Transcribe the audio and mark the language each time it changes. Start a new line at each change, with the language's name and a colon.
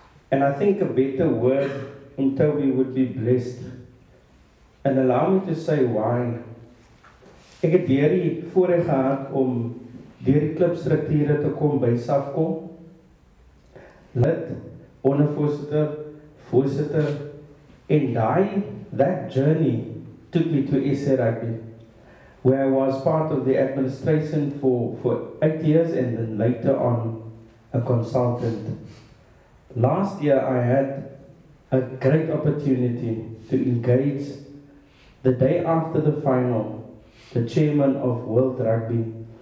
English: And I think a better word in Tobie would be blessed. And allow me to say why.
Afrikaans: Ek het deur die voorreg gehad om deur die klubstrukture te kom by SAFKOM. Lid, ondervoorsitter, voorsitter.
English: And that journey took me to SA Rugby, where I was part of the administration for 8 years and then later on a consultant. Last year I had a great opportunity to engage the day after the final, the chairman of World Rugby.